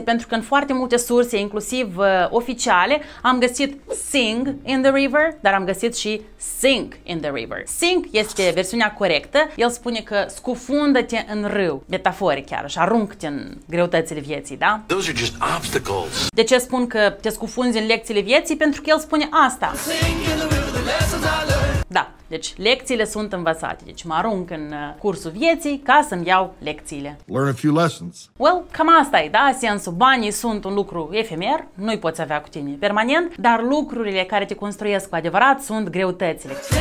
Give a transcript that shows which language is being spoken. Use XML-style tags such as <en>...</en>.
<ro>Pentru că în foarte multe surse, inclusiv oficiale, am găsit</ro> <en>sing in the river,</en> <ro>dar am găsit și</ro> <en>sink in the river.</en> <ro>Sink este versiunea corectă, el spune că scufundă-te în râu, metaforic chiar, și aruncă-te în greutățile vieții, da?</ro> <en>Those are just obstacles.</en> <ro>De ce spun că te scufunzi în lecțiile vieții? Pentru că el spune asta.</ro> <en>Sing in the river, the lessons I learned. Da.</en> <ro>Deci lecțiile sunt învățate, deci mă arunc în cursul vieții ca să-mi iau lecțiile.</ro> <en>Learn a few lessons.</en> <ro>Well, cam asta e, da? Sensul, banii sunt un lucru efemer, nu-i poți avea cu tine permanent, dar lucrurile care te construiesc cu adevărat sunt greutățile.</ro>